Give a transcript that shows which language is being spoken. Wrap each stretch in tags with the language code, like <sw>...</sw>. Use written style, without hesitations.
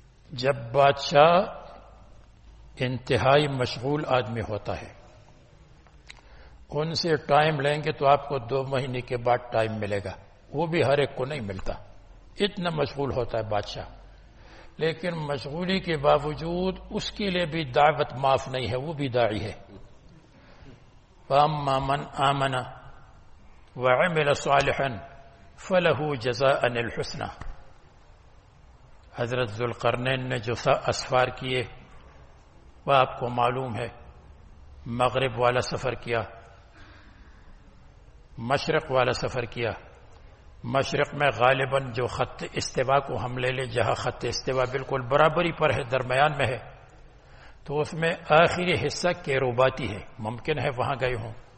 <ur>جب بادشاہ انتہائی مشغول آدمی ہوتا ہے, ان سے ٹائم لیں گے تو آپ کو 2 مہینے کے بعد ٹائم ملے گا, وہ بھی ہر ایک کو نہیں ملتا, اتنا مشغول ہوتا ہے بادشاہ, لیکن مشغولی کے باوجود اس کے لیے بھی دعوت معاف نہیں ہے, وہ بھی داعی ہے.</ur> <ar>فاما من آمن وعمل صالحا فله جزاء الحسنى.</ar> <ur>حضرت ذوالقرنین نے جو اسفار کیے وہ آپ کو معلوم ہے, مغرب والا سفر کیا, مشرق والا سفر کیا. مشرق میں غالباً جو خط استوا کو ہم لے لیں, جہاں خط استوا بالکل برابری پر ہے, درمیان میں ہے, تو اس میں آخری حصہ کیروباتی ہے, ممکن ہے وہاں گئے ہوں.</ur>